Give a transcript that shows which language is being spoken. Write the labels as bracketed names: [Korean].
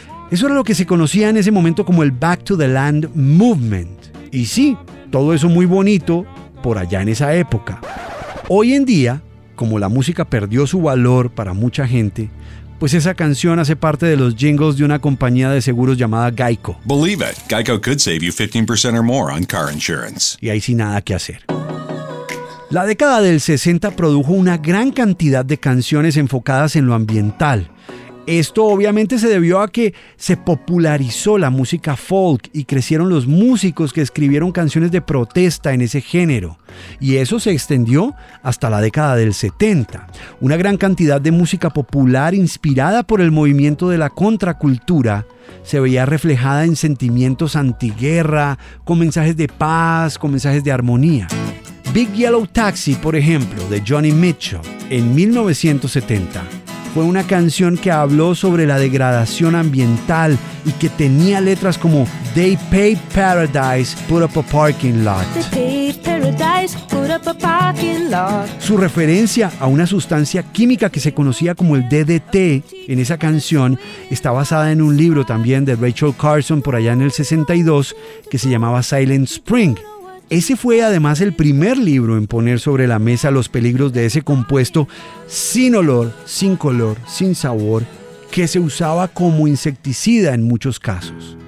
[Spanish] Eso era lo que se conocía en ese momento como el Back to the Land Movement. Y sí, todo eso muy bonito por allá en esa época. Hoy en día, como la música perdió su valor para mucha gente, pues esa canción hace parte de los jingles de una compañía de seguros llamada Geico. [English] Believe it, Geico could save you 15% or more on car insurance. [Spanish] Y ahí sí nada que hacer. La década del 60 produjo una gran cantidad de canciones enfocadas en lo ambiental. Esto obviamente se debió a que se popularizó la música folk y crecieron los músicos que escribieron canciones de protesta en ese género. Y eso se extendió hasta la década del 70. Una gran cantidad de música popular inspirada por el movimiento de la contracultura se veía reflejada en sentimientos antiguerra, con mensajes de paz, con mensajes de armonía. Big Yellow Taxi, por ejemplo, de Joni Mitchell, en 1970, fue una canción que habló sobre la degradación ambiental y que tenía letras como [English] "They paved paradise, put up a parking lot". They paved paradise, put up a parking lot. [Spanish] Su referencia a una sustancia química que se conocía como el DDT en esa canción está basada en un libro también de Rachel Carson por allá en el 62 que se llamaba Silent Spring. Ese fue además el primer libro en poner sobre la mesa los peligros de ese compuesto sin olor, sin color, sin sabor, que se usaba como insecticida en muchos casos.